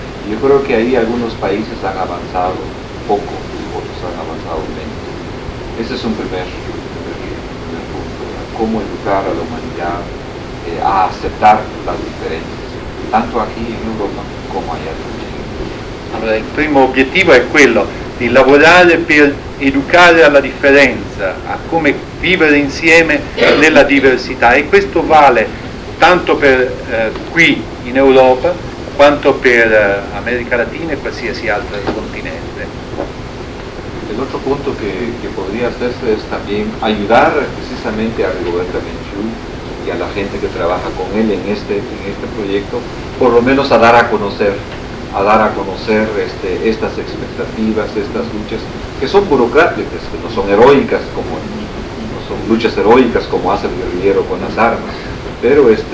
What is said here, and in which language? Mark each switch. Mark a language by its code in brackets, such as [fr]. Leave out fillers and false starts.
[es] Yo creo que ahí algunos países han avanzado poco y otros han avanzado menos. Ese es un primer punto, ¿verdad? Cómo educar a la humanidad a aceptar las diferencias, tanto aquí en Europa como allá también. [it] Allora, il primo obiettivo è quello di lavorare per educare alla differenza, a come vivere insieme nella diversità, e questo vale tanto per qui in Europa quanto per America Latina e qualsiasi altro continente. [es] El otro punto que podría hacerse es también ayudar precisamente a Rigoberta Menchú y a la gente que trabaja con él en este proyecto, por lo menos a dar a conocer estas expectativas, estas luchas, que son burocráticas, que no son heroicas, como no son luchas heroicas como hace el guerrillero con las armas, pero